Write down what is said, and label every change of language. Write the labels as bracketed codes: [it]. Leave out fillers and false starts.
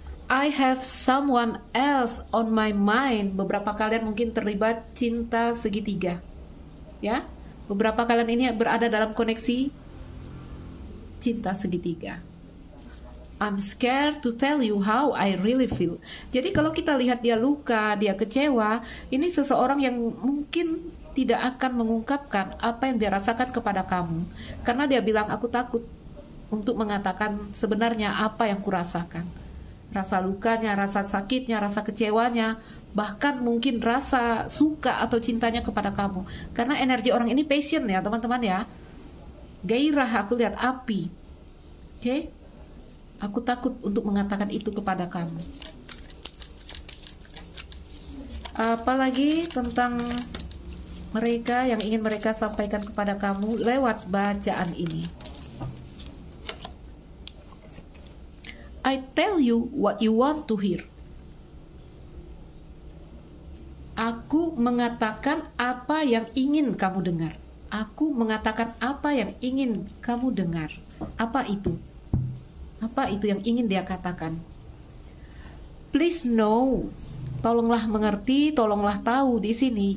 [en] I have someone else on my mind. [id] Beberapa kalian mungkin terlibat cinta segitiga. Ya. Beberapa kalian ini berada dalam koneksi cinta segitiga. [en] I'm scared to tell you how I really feel. [id] Jadi kalau kita lihat dia luka, dia kecewa, ini seseorang yang mungkin tidak akan mengungkapkan apa yang dia rasakan kepada kamu. Karena dia bilang, aku takut untuk mengatakan sebenarnya apa yang kurasakan. Rasa lukanya, rasa sakitnya, rasa kecewanya, bahkan mungkin rasa suka atau cintanya kepada kamu. Karena energi orang ini passion ya, teman-teman ya. Gairah, aku lihat api. Oke? Aku takut untuk mengatakan itu kepada kamu. Apalagi tentang mereka yang ingin mereka sampaikan kepada kamu lewat bacaan ini. [en] I tell you what you want to hear. [id] Aku mengatakan apa yang ingin kamu dengar. Aku mengatakan apa yang ingin kamu dengar. Apa itu? Apa itu yang ingin dia katakan? [en] Please know. [id] Tolonglah mengerti, tolonglah tahu di sini.